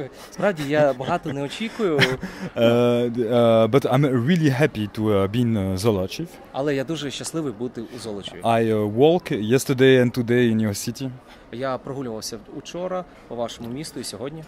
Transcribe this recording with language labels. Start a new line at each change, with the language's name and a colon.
Ukrainian: Справді я багато не очікую.
English: But I'm really happy to be in Zolochiv.
Ukrainian: Але я дуже щасливий бути у Золочеві.
English: I walk yesterday and today in your city.
Ukrainian: Я прогулювався вчора по вашому місту і сьогодні.